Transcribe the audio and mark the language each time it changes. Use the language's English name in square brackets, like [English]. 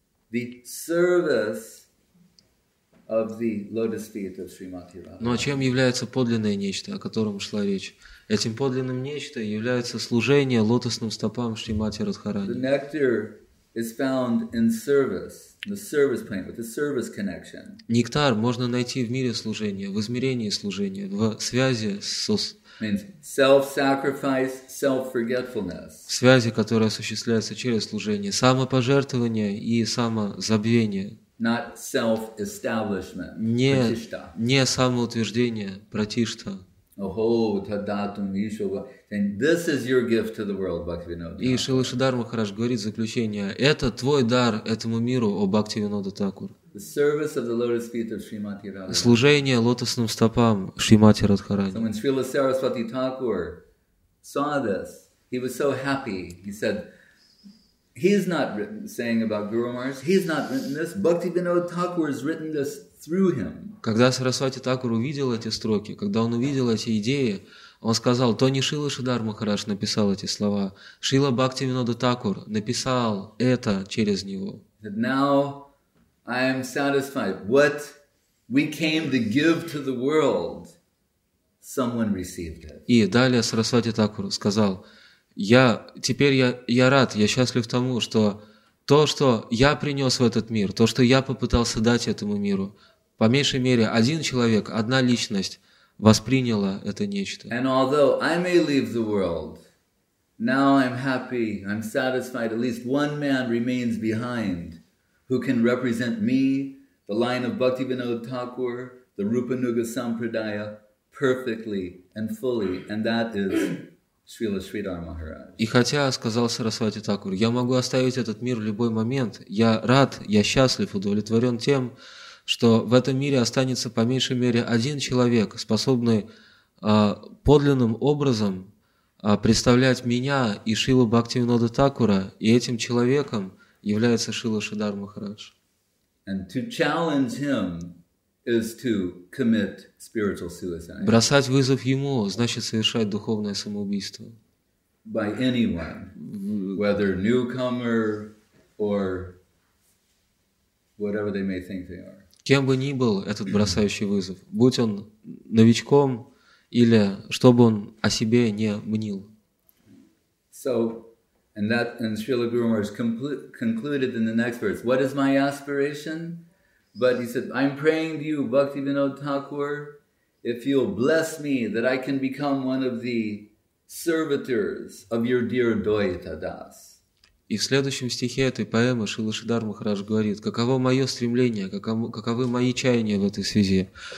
[English] The service of the lotus feet of Srimati Radha. [Russian] Но чем является подлинное нечто, о котором шла речь? Этим подлинным нечто является служение лотосным стопам Шримати Радхарани. [English] The nectar is found in service, the service plane, with the service connection. [Russian] Нектар можно найти в мире служения, в измерении служения, в связи со... [English] Means self-sacrifice, self-forgetfulness. [Russian] В связи, которая осуществляется через служение, самопожертвование и самозабвение. [English] Not self-establishment, [Russian] не, не самоутверждение, пратишта. [English] This is your gift to the world, Бхактивинода. [Russian] И Шрила Шридхара Махарадж говорит в заключение: это твой дар этому миру, о Бхактивинода Такур. [English] The service of the lotus feet of Shrimati Radharani. [Russian] Служение лотосным стопам Шримати Радхарани. [English] So when Srila Saraswati Thakur saw this, he was so happy. He said, "He's not written saying about Guru Maharaj. He's not written this. Bhaktivinoda Thakur has written this through him." [Russian] Когда Сарасвати Такур увидел эти строки, когда он увидел эти идеи, он сказал: то не Шрила Шридхара Махарадж написал эти слова. Шрила Бхактивинода Такур написал это через него. [English] Now I am satisfied. What we came to give to the world, someone received it. [Russian] И далее Сарасвати Такур сказал: Теперь я рад, я счастлив тому, что то, что я принес в этот мир, то, что я попытался дать этому миру, по меньшей мере, один человек, одна личность восприняла это нечто. [English] And although I may leave the world, now I'm happy, I'm satisfied, at least one man remains behind who can represent me, the line of Bhaktivinoda Thakur, the Rupanuga Sampradaya, perfectly and fully, and that is Srila Sridhara Maharaj. [Russian] И хотя, сказал Сарасвати Такур, я могу оставить этот мир в любой момент, я рад, я счастлив, удовлетворен тем, что в этом мире останется по меньшей мере один человек, способный подлинным образом представлять меня и Шрилу Бхактивинода Такура, и этим человеком является Шрила Шридхара Махарадж. [English] And to challenge him is to commit spiritual suicide. [Russian] Бросать вызов ему значит совершать духовное самоубийство. [English] By anyone, whether newcomer or whatever they may think they are. [Russian] Кем бы ни был этот бросающий вызов, будь он новичком или чтобы он о себе не мнил. [English] So, and that, and Srila Guru Maharaj concluded in the next verse, what is my aspiration? But he said, I'm praying to you, Bhaktivinoda Thakur, if you'll bless me that I can become one of the servitors of your dear Dvaita Das. [Russian] И в следующем стихе этой поэмы Шрила Шридхара Махарадж говорит, каково мое стремление, каковы мои чаяния в этой связи.